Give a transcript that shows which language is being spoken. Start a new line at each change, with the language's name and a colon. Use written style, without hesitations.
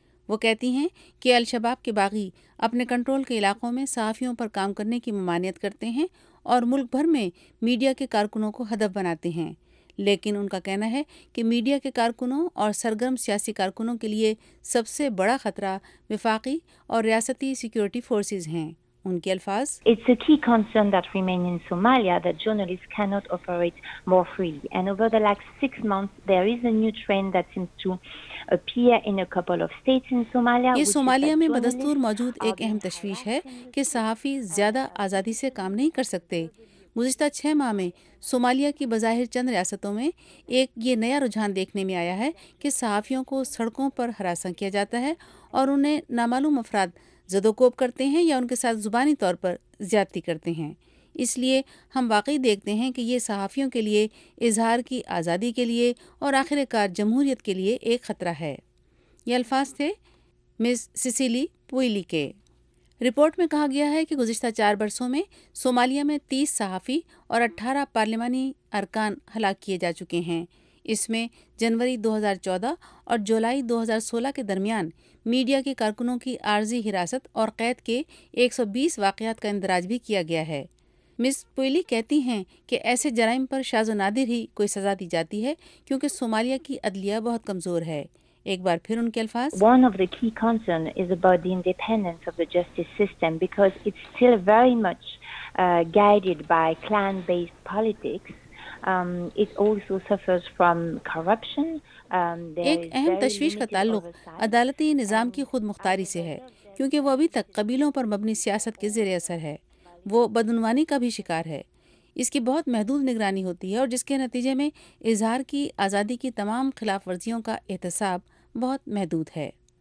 Urdu: وہ کہتی ہیں کہ الشباب کے باغی اپنے کنٹرول کے علاقوں میں صحافیوں پر کام کرنے کی ممانعت کرتے ہیں اور ملک بھر میں میڈیا کے کارکنوں کو ہدف بناتے ہیں، لیکن ان کا کہنا ہے کہ میڈیا کے کارکنوں اور سرگرم سیاسی کارکنوں کے لیے سب سے بڑا خطرہ وفاقی اور ریاستی سیکیورٹی فورسز ہیں۔ ان کے الفاظ،
English: It's a key concern that remains in Somalia that journalists cannot operate more freely. And over the last six months, there is a new trend that seems to appear in a couple of states in Somalia.
Urdu: یہ سومالیا میں بدستور موجود ایک اہم تشویش ہے کہ صحافی زیادہ آزادی سے کام نہیں کر سکتے۔ گزشتہ چھ ماہ میں سومالیہ کی بظاہر چند ریاستوں میں ایک یہ نیا رجحان دیکھنے میں آیا ہے کہ صحافیوں کو سڑکوں پر ہراساں کیا جاتا ہے اور انہیں نامعلوم افراد زدوکوب کرتے ہیں یا ان کے ساتھ زبانی طور پر زیادتی کرتے ہیں۔ اس لیے ہم واقعی دیکھتے ہیں کہ یہ صحافیوں کے لیے، اظہار کی آزادی کے لیے اور آخر کار جمہوریت کے لیے ایک خطرہ ہے۔ یہ الفاظ تھے مس سیسیلی پوئلی کے۔ رپورٹ میں کہا گیا ہے کہ گزشتہ چار برسوں میں صومالیہ میں 30 صحافی اور 18 پارلیمانی ارکان ہلاک کیے جا چکے ہیں۔ اس میں جنوری 2014 اور جولائی 2016 کے درمیان میڈیا کے کارکنوں کی عارضی حراست اور قید کے 120 واقعات کا اندراج بھی کیا گیا ہے۔ مس پوئلی کہتی ہیں کہ ایسے جرائم پر شاذ و نادر ہی کوئی سزا دی جاتی ہے کیونکہ صومالیہ کی عدلیہ بہت کمزور ہے۔ ایک بار پھر ان کے الفاظ،
English: One of the key concerns is about the independence of the justice system because it's still very much guided by clan-based politics. It also suffers from corruption.
Urdu: ایک اہم تشویش کا تعلق عدالتی نظام کی خود مختاری سے ہے کیونکہ وہ ابھی تک قبیلوں پر مبنی سیاست کے زیر اثر ہے۔ وہ بدعنوانی کا بھی شکار ہے، اس کی بہت محدود نگرانی ہوتی ہے اور جس کے نتیجے میں اظہار کی آزادی کی تمام خلاف ورزیوں کا احتساب بہت محدود ہے۔